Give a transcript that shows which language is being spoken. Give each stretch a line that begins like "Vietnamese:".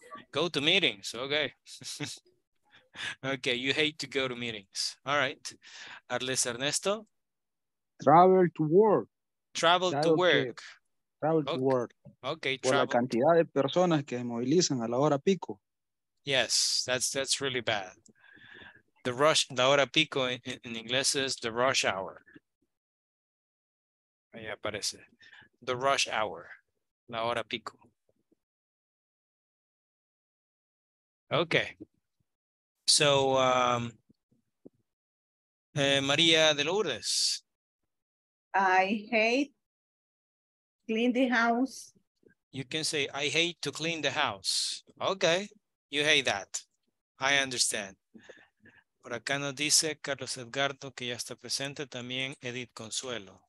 English: Go to meetings. Okay. Okay. You hate to go to meetings. All right. Arles Ernesto. Travel to work. Travel to work. Travel to work. Okay.
Spanish: Por la cantidad de personas que se movilizan a la hora pico.
English: Yes, that's really bad. The rush.
Spanish: La hora pico
English: in English is the rush hour.
Spanish: Ahí aparece.
English: The rush hour.
Spanish: La hora pico.
English: Okay, so María de Lourdes. I hate clean the house. You can say, I hate to clean the house. Okay, you hate that. I understand.
Spanish: Por acá nos dice Carlos Edgardo que ya está presente, también Edith Consuelo.